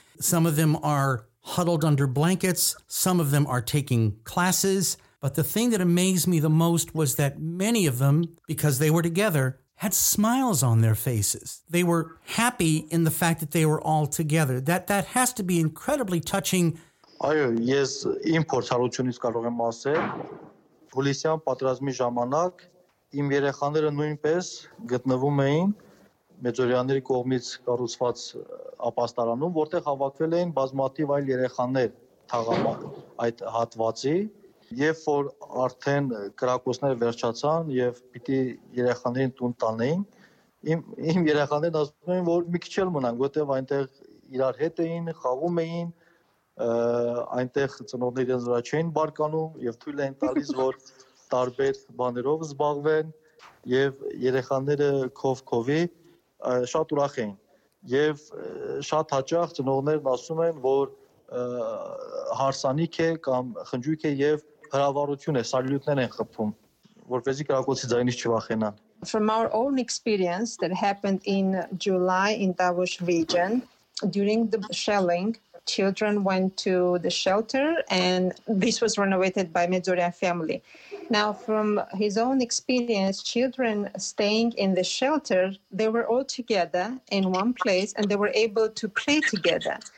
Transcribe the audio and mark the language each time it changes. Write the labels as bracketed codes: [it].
[en] Some of them are huddled under blankets. Some of them are taking classes. But the thing that amazed me the most was that many of them, because they were together, had smiles on their faces. They were happy in the fact that they were all together. That has to be incredibly touching. [hy] Այո, ես իմ փորձառությունից կարող եմ ասել, հուլիսյան պատերազմի ժամանակ իմ երեխաները նույնպես գտնվում էին Մեծորիաների կողմից կառուցված ապաստարանում, որտեղ հավաքվել էին բազմաթիվ այլ երեխաներ թաղամաս այդ հատվածի. Երբ որ արդեն կրակոցները վերջացան եւ պիտի երեխաներին տուն տանեին, իմ երեխաներն ասում էին, որ մի քիչ էլ մնանք, որտեղ այնտեղ իրար հետ էին, խաղում էին, այնտեղ ծնողները իրենց վրա չէին բարկանում եւ թույլ էին տալիս, որ տարբեր բաներով զբաղվեն, եւ երեխաները քով-քովի շատ ուրախ էին, եւ շատ հաճախ ծնողներն ասում են, որ հարսանիք է կամ խնջույք է եւ հրավառություն է, սալյուտներ են խփում, որպեսզի քրակոցի ձայնից չվախենան. [en] From our own experience that happened in July in Davos region, during the shelling, children went to the shelter and this was renovated by Medzorian family. Now, from his own experience, children staying in the shelter, they were all together in one place and they were able to play together.